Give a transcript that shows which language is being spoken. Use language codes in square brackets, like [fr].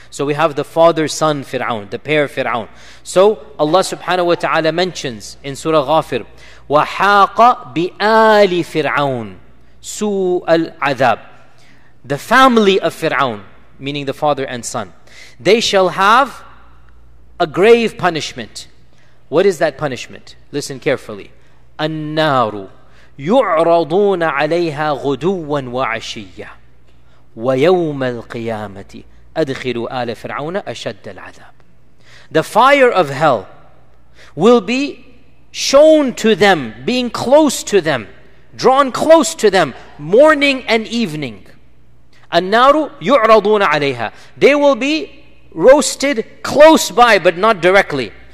[en] So we have the father-son Fir'aun, the pair Fir'aun. So Allah subhanahu wa ta'ala mentions in Surah Ghafir, [ar] وَحَاقَ بِآلِ فِرْعَوْنِ سُوءَ الْعَذَابِ. [en] The family of Fir'aun, meaning the father and son, they shall have a grave punishment. What is that punishment? Listen carefully. [ar] النار يعرضون عليها غدوا وعشيا ويوم القيامة أدخلوا آل فرعون أشد العذاب. [en] The fire of hell will be shown to them, being close to them, drawn close to them, morning and evening. [ar] النار يعرضون عليها. [en] They will be roasted close by, but not directly.